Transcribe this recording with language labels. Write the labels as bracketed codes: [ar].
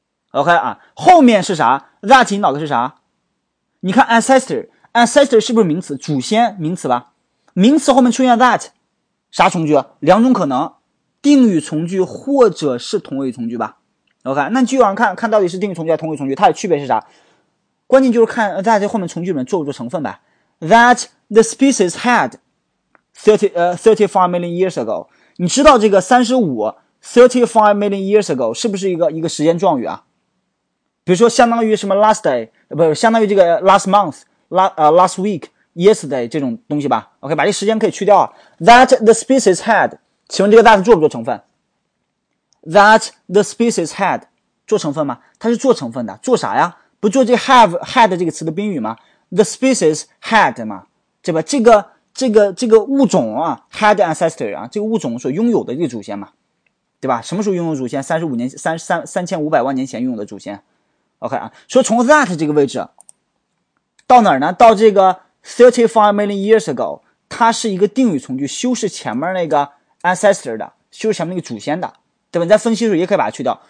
[zh] OK 啊，后面是啥 ？That 引导的是啥？你看 ancestor 是不是名词？祖先名词吧？名词后面出现 that， 啥从句？两种可能。定语从句或者是同位语从句吧。OK， 那继续往上看看到底是定语从句还是同位语从句，它的区别是啥？关键就是看在这后面从句里面做不做成分呗。 [en] That the species had 35 million years ago， [zh] 你知道这个35 million years ago 是不是一个时间状语啊？比如说相当于什么 last day， 不是相当于这个 [en] last month last week yesterday [zh] 这种东西吧。 OK， 把这时间可以去掉。 [en] That the species had， [zh] 请问这个 that 做不做成分？ That the species had 做成分吗？它是做成分的。做啥呀？不做这个 had 这个词的宾语吗？ [en] The species had 嘛，对吧？ [zh] 这个物种啊， [en] had ancestor [zh] 啊，这个物种所拥有的这个祖先嘛，对吧？什么时候拥有祖先？ 35,000年前拥有的祖先。OK 啊，说从 that 这个位置到哪儿呢？到这个 35 million years ago， 它是一个定语从句，修饰前面那个ancestor 的，就是前面那个祖先的，对吧？你在分析的时候也可以把它去掉。